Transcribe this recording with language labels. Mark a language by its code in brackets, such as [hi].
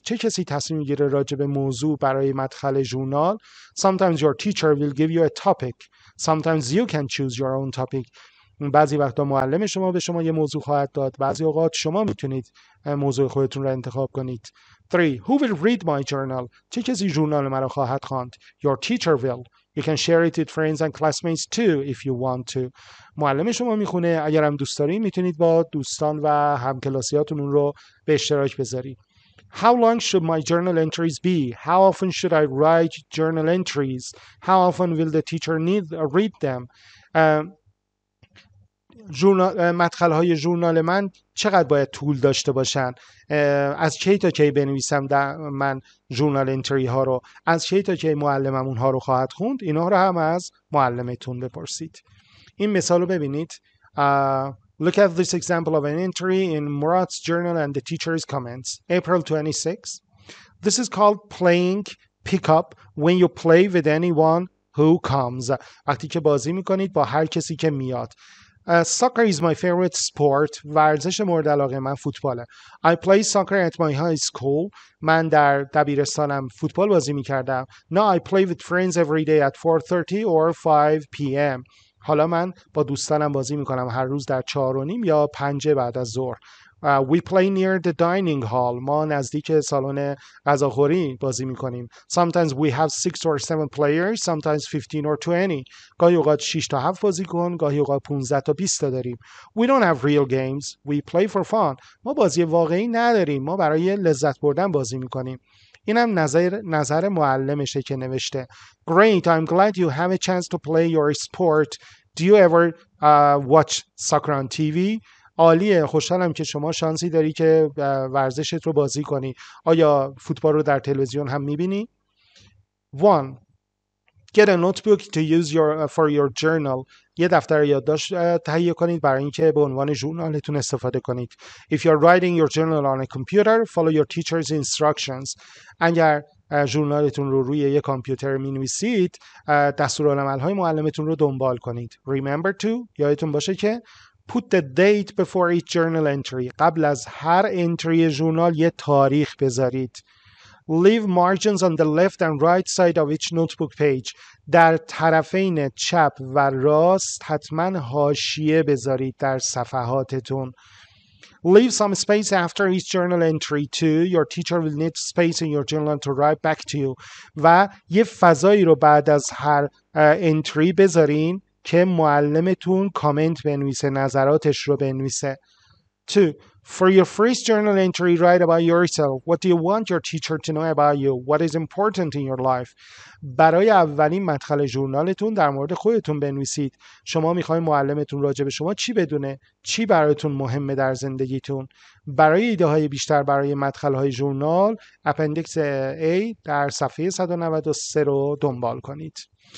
[fa] چه کسی تصمیم میگیره راجع به موضوع برای مدخل ژورنال؟ [en] Sometimes your teacher will give you a topic. Sometimes you can choose your own topic. [fa] بعضی وقتا معلم شما به شما یه موضوع خواهد داد. بعضی اوقات شما میتونید موضوع خودتون را انتخاب کنید. [en] 3. Who will read my journal? [fa] چه کسی ژورنال مرا خواهد خواند؟ [en] Your teacher will. You can share it with friends and classmates too if you want to. [fa] معلم شما میخونه. اگر هم دوست دارید میتونید با دوستان و همکلاسیاتون اون رو به اشتراک بذارید. [en] How long should my journal entries be? How often should I write journal entries? How often will the teacher need read them? [fa] مدخل های ژورنال من چقدر باید طول داشته باشن؟ از کی تا کی بنویسم در من ژورنال انتری ها رو؟ از کی تا کی معلمم اونها رو خواهد خوند؟ اینا رو هم از معلمتون بپرسید. این مثال رو ببینید. [en] Look at this example of an entry in Murat's journal and the teacher's comments. April 26. This is called playing pickup when you play with anyone who comes. [fa] وقتی که بازی میکنید با هر کسی که میاد. [en] Soccer is my favorite sport. [fa] ورزش مورد علاقه من فوتباله. [en] I play soccer at my high school. [fa] من در دبیرستانم فوتبال بازی میکردم. [en] Now I play with friends every day at 4:30 or 5 p.m. [fa] حالا من با دوستانم بازی میکنم هر روز در 4:30 یا 5 بعد از ظهر. [en] We play near the dining hall. [fa] ما نزدیک سالن غذاخوری بازی میکنیم. [en] Sometimes we have 6 or 7 players, sometimes 15 or 20. [fa] گاهی اوقات 6 تا 7 بازیکن، گاهی اوقات 15 تا 20 تا داریم. [en] We don't have real games. We play for fun. [fa] ما بازی واقعی نداریم. ما برای لذت بردن بازی میکنیم. اینم نظر معلمشه که نوشته. [en] Great. I'm glad you have a chance to play your sport. Do you ever watch soccer on TV? [fa] عالیه، خوشحالم که شما شانسی داری که ورزشت رو بازی کنی. آیا فوتبال رو در تلویزیون هم می‌بینی؟ 1. [en] Get a notebook to use your for your journal. [fa] یه دفتر یادداشت تهیه کنید برای اینکه به عنوان ژورنالتون استفاده کنید. [en] If you're writing your journal on a computer, follow your teacher's instructions. [fa] اگر ژورنالتون رو روی یک کامپیوتر می‌نویسید، دستورالعمل‌های معلمتون رو دنبال کنید. [en] Remember to، [fa] یادتون باشه که [en] put the date before each journal entry. [fa] قبل از هر انتری ژورنال یه تاریخ بذارید. [en] Leave margins on the left and right side of each notebook page. [fa] در طرفین چپ و راست حتما حاشیه بذارید در صفحاتتون. [en] Leave some space after each journal entry too. Your teacher will need space in your journal to write back to you. [fa] و یه فضایی رو بعد از هر انتری بذارین که معلمتون کامنت بنویسه، نظراتش رو بنویسه. 2. [en] For your first journal entry, write about yourself. What do you want your teacher to know about you? What is important in your life? [fa] برای اولین مدخل ژورنالتون در مورد خودتون بنویسید. شما میخواید معلمتون راجع به شما چی بدونه؟ چی براتون مهمه در زندگیتون؟ برای ایده های بیشتر برای مدخل های ژورنال، اپندیکس A در صفحه 193 رو دنبال کنید.